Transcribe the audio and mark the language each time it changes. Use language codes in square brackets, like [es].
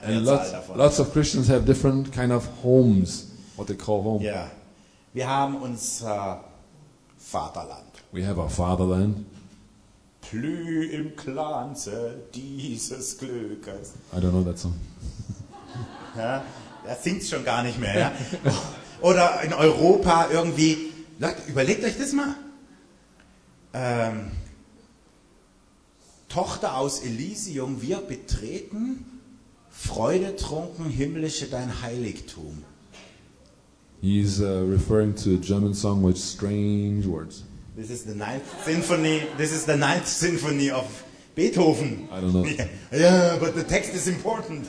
[en] And lots of Christians have different kind of homes, what they call home. Yeah. [de] Wir haben unser Vaterland. [en] We have our fatherland. [de] Plü im Glanze dieses Glückes. [en] I don't know that song. [de] Ja, er singt schon gar nicht mehr. Ja? Oder in Europa irgendwie. Leute, überlegt euch das mal. Tochter aus Elysium, wir betreten freudetrunken himmlische dein Heiligtum. [en] He's referring to a German song with strange words. This is the ninth symphony. This is the ninth symphony of Beethoven. I don't know. Yeah, but the text is important.